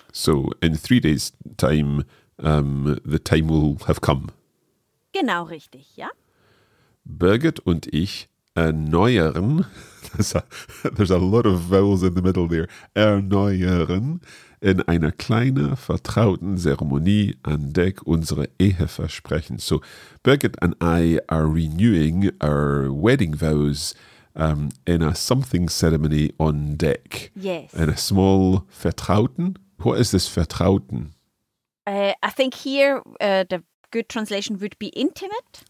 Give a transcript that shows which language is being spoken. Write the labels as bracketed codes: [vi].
[en] So in 3 days' time, the time will have come. [de] Genau richtig, ja. Birgit und ich erneuern. [en] There's a lot of vowels in the middle there. [de] Erneuern in einer kleinen vertrauten Zeremonie an Deck unsere Eheversprechen. [en] So Birgit and I are renewing our wedding vows in a something ceremony on deck. Yes. In a small vertrauten. What is this vertrauten? I think here the good translation would be intimate.